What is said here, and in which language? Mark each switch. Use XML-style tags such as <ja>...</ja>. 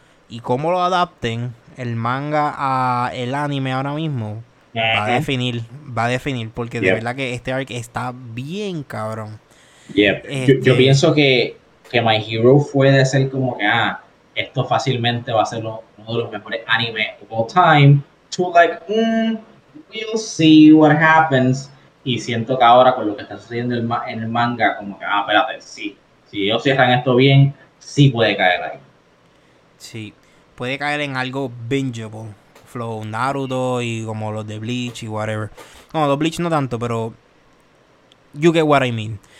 <es>Y cómo lo adapten el manga a el anime ahora mismo va a definir, porque de verdad que este arc está bien cabrón. Yo pienso que My Hero fue de ser como que esto fácilmente va a ser uno de los mejores animes</es> <en>of all time. To like, we'll see what happens.</en> <es>Y siento que ahora con lo que está sucediendo en el manga, como que, espérate, sí. Si ellos cierran esto bien, sí puede caer ahí. Sí, puede caer en algo bingeable. Flow Naruto y como los de Bleach y whatever. No, los Bleach no tanto, pero</es> <en>you get what I mean.</en>